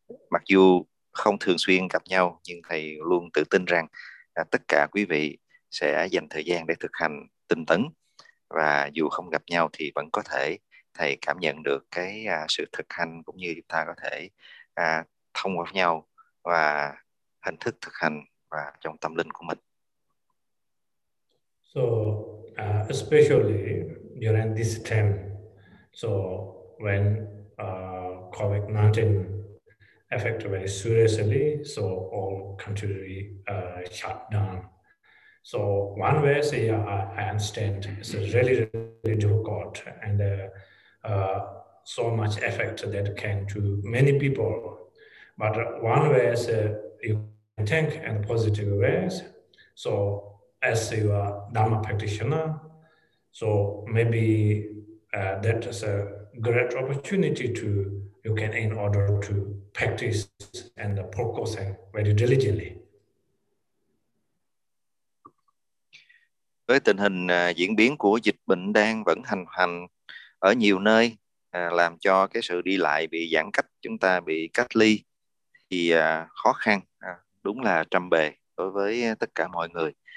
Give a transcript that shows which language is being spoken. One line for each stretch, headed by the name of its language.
Vietnamese: Mặc dù không thường xuyên gặp nhau, nhưng thầy luôn tự tin rằng tất cả quý vị sẽ dành thời gian để thực hành tinh tấn. Và dù không gặp nhau thì vẫn có thể thầy cảm nhận được cái sự thực hành, cũng như chúng ta có thể thông qua nhau và hình thức thực hành và trong tâm linh của mình.
English: So especially during this time, so when COVID-19 affected very seriously, so all country shut down. So one way, so yeah, I understand it's really, really difficult, and so much effect that can to many people. But one way is you think in positive ways. So as you are Dharma practitioner, so maybe that is a great opportunity to you can in order to practice and focusing very diligently.
Vietnamese: Với tình hình diễn biến của dịch bệnh đang vẫn hành hành ở nhiều nơi, làm cho cái sự đi lại bị giãn cách, chúng ta bị cách ly thì khó khăn, đúng là trăm bề đối với tất cả mọi người.